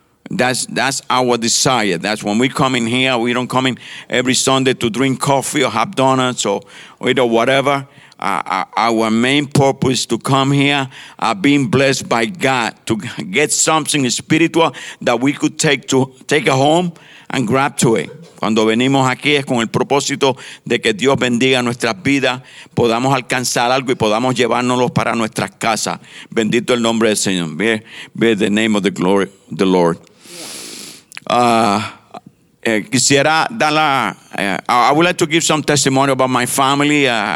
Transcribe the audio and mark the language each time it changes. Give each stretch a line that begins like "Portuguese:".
English: That's our desire. That's when we come in here. We don't come in every Sunday to drink coffee or have donuts or eat or whatever. Our main purpose is to come here, being blessed by God, to get something spiritual that we could take it home and grab to it.
Spanish: Cuando venimos aquí es con el propósito de que Dios bendiga nuestras vidas, podamos alcanzar algo y podamos llevárnoslo para nuestras casas. Bendito el nombre del Señor.
English: Be the name of the glory, the Lord.
Spanish: Quisiera dar la,
English: I would like to give some testimony about my family.